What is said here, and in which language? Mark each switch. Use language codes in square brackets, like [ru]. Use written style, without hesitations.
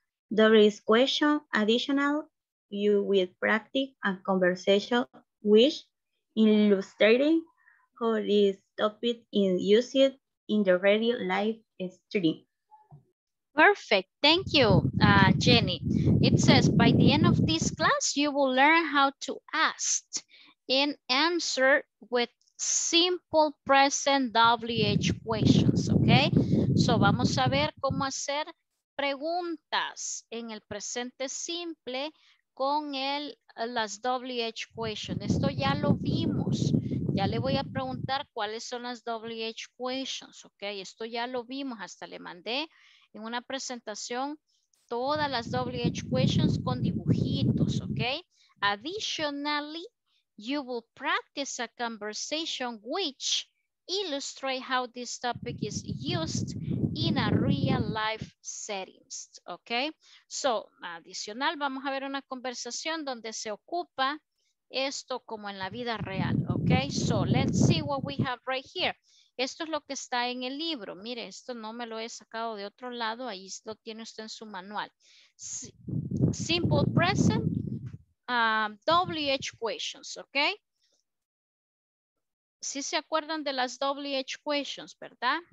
[en] There is question additional, you will practice a conversation which illustrating how this topic is used in the real life study. Perfect, thank you, Jenny. It says, by the end of this class, you will learn how to ask and answer with simple present WH questions, okay? [es] So vamos a ver cómo hacer preguntas en el presente simple con el las WH questions. Esto ya lo vimos. Ya le voy a preguntar cuáles son las WH questions, ¿ok? Esto ya lo vimos. Hasta le mandé en una presentación todas las WH questions con dibujitos, ¿ok? [en] Additionally, you will practice a conversation which illustrate how this topic is used in a real life settings, ok? [es] So, adicional, vamos a ver una conversación donde se ocupa esto como en la vida real, ok? [en] So, let's see what we have right here. [es] Esto es lo que está en el libro. Mire, esto no me lo he sacado de otro lado, ahí lo tiene usted en su manual. [en] Simple present, WH questions, ok? [es] Si se acuerdan de las WH questions, ¿verdad?